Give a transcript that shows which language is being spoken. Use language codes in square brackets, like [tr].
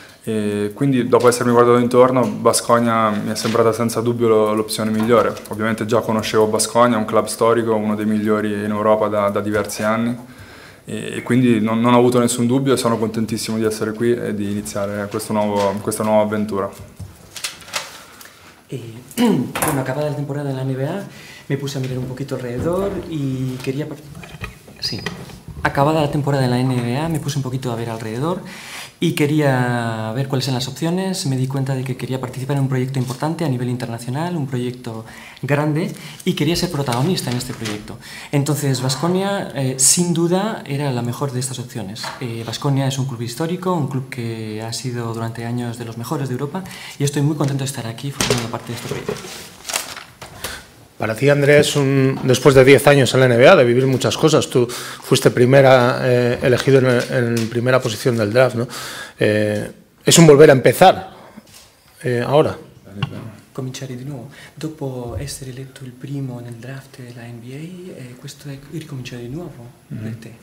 [it] E quindi, dopo essermi guardato intorno, Baskonia mi è sembrata senza dubbio l'opzione migliore. Ovviamente già conoscevo Baskonia, un club storico, uno dei migliori in Europa da diversi anni. E quindi non ho avuto nessun dubbio e sono contentissimo di essere qui e di iniziare questa nuova avventura. [es] Y bueno, acabada la temporada de la NBA, me puse a mirar un poquito alrededor y quería. Sí. Acabada la temporada de la NBA, me puse un poquito a ver alrededor y quería ver cuáles eran las opciones. Me di cuenta de que quería participar en un proyecto importante a nivel internacional, un proyecto grande, y quería ser protagonista en este proyecto. Entonces, Baskonia, sin duda, era la mejor de estas opciones. Baskonia es un club histórico, un club que ha sido durante años de los mejores de Europa, y estoy muy contento de estar aquí formando parte de este proyecto. Para ti, Andrés, después de 10 años en la NBA, de vivir muchas cosas, tú fuiste elegido en primera posición del draft, ¿no? Es un volver a empezar ahora. [it] Cominciare di nuovo. Dopo essere eletto il primo nel draft della NBA, questo è ricominciare di nuovo per te.